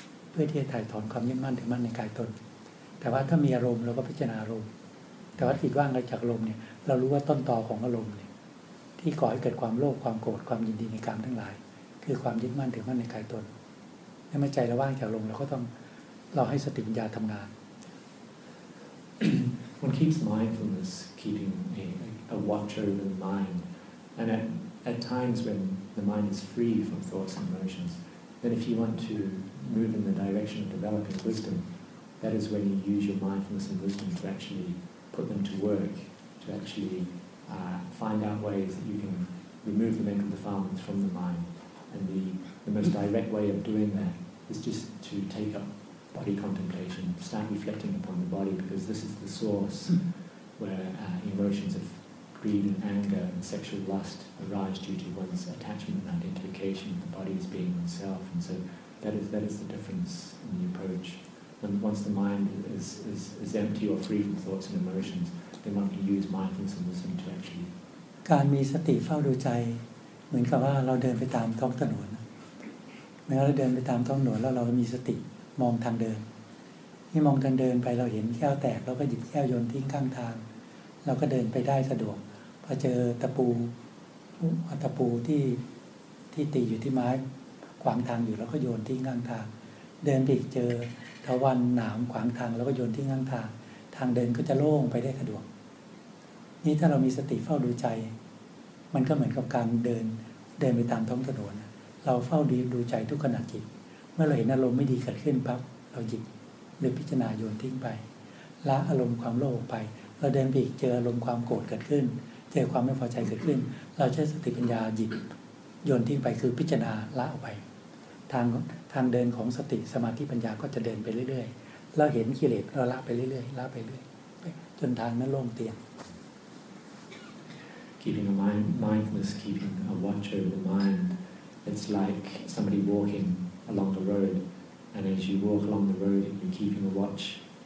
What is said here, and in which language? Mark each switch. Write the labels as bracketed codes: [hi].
[th] เพื่อที่จะถ่ายถอนความยึดมั่นถือมั่นในกายตนแต่ว่าถ้ามีอารมณ์เราก็พิจารณาอารมณ์แต่ว่าจิตว่างจากลมเนี่ยเรารู้ว่าต้นตอของอารมณ์เนี่ยที่ก่อให้เกิดความโลภความโกรธความยินดีในกามทั้งหลายคือความยึดมั่นถือมั่นในกายตนในเมื่อใจเราว่างจากลมเราก็ต้องเราให้สติปัญญาทำงาน [en] One keeps mindfulness keeping a watch over the mind and at times when the mind is free from thoughts and emotions then if you want to move in the direction of developing wisdom that is when you use your mindfulness and wisdom to actually put them to work to actually find out ways that you can remove the mental defilements from the mind and the most direct way of doing that is just to take upbody contemplation, start reflecting upon the body because this is the source where emotions of greed and anger and sexual lust arise due to one's attachment and identification with the body as being oneself. And so that is the difference in the approach. And once the mind is empty or free from thoughts and emotions, then one can use mindfulness and wisdom to actually... [th] การมีสติเฝ้าดูใจเหมือนกับว่าเราเดินไปตามท้องถนนเมื่อเราเดินไปตามท้องถนนแล้วเรามีสติมองทางเดินที่มองทางเดินไปเราเห็นแก้วแตกเราก็หยิบแก้วโยนทิ้งข้างทางเราก็เดินไปได้สะดวกพอเจอตะปูที่ตีอยู่ที่ไม้ขวางทางอยู่เราก็โยนทิ้งข้างทางเดินไปเจอตะวันหนามขวางทางเราก็โยนทิ้งข้างทางทางเดินก็จะโล่งไปได้สะดวก นี่ถ้าเรามีสติเฝ้าดูใจมันก็เหมือนกับการเดินไปตามท้องถนนเราเฝ้าดูใจทุกขณะจิตเมื่อเราเห็นอารมณ์ไม่ดีเกิดขึ้นปั๊บเราหยิบหรือพิจารณาโยนทิ้งไปละอารมณ์ความโลภไปเราเดินไปอีกเจออารมณ์ความโกรธเกิดขึ้นเจอความไม่พอใจเกิดขึ้นเราใช้สติปัญญาหยิบโยนทิ้งไปคือพิจารณาละออกไปทางเดินของสติสมาธิปัญญาก็จะเดินไปเรื่อยๆเราเห็นกิเลสเราละไปเรื่อยๆละไปเรื่อยจนทางนั้นโล่งเตียง [en] keeping a mindfulness keeping a watch over the mind it's like somebody walkingalong the road and as you walk along the road and you're keeping a watch